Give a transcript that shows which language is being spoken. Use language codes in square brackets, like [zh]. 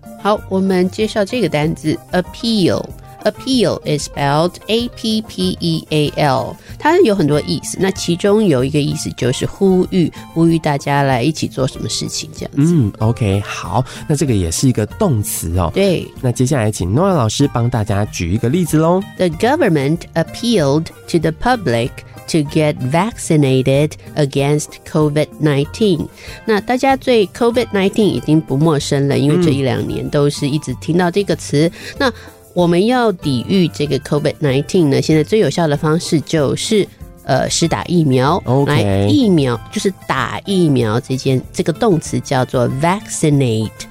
[zh] 好，我们介绍这个单字 appeal。 [en] Appeal is spelled A-P-P-E-A-L， [zh] 它有很多意思，那其中有一个意思就是呼吁，呼吁大家来一起做什么事情，这样子。 OK， 好，那这个也是一个动词哦。对，那接下来请诺瓦老师帮大家举一个例子咯。 [en] The government appealed to the public to get vaccinated against COVID-19。 [zh] 那大家对 COVID-19 已经不陌生了，因为这一两年都是一直听到这个词。那我们要抵御这个 COVID-19 呢，现在最有效的方式就是施打疫苗。来，疫苗就是打疫苗，这个动词叫做 vaccinate。